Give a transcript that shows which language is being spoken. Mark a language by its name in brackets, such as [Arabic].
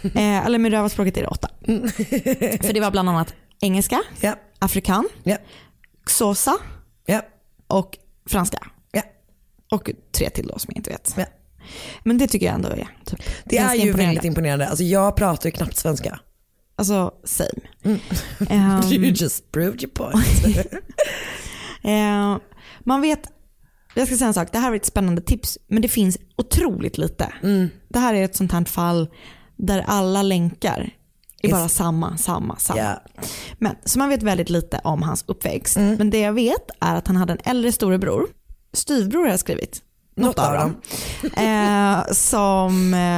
[Swedish] Eller med rövarspråket är det 8. För det var bland annat engelska, [English] yeah. [Swedish] Afrikan, [English] yeah. [Swedish] Xhosa, [English] yeah. [Swedish] Och franska. [English] Yeah. [Swedish] Och 3 till då som jag inte vet. [English] Yeah. [Swedish] Men det tycker jag ändå är typ. Det är ju väldigt imponerande. Alltså jag pratar ju knappt svenska. Alltså, same. [English] You just proved your point. [Swedish] Man vet, jag ska säga en sak, det här är ett spännande tips, men det finns otroligt lite. Mm. Det här är ett sånt här fall där alla länkar är bara samma. [English] Yeah. [Swedish] Men, så man vet väldigt lite om hans uppväxt. Mm. Men det jag vet är att han hade en äldre storebror, styvbror har jag skrivit, något av dem, som...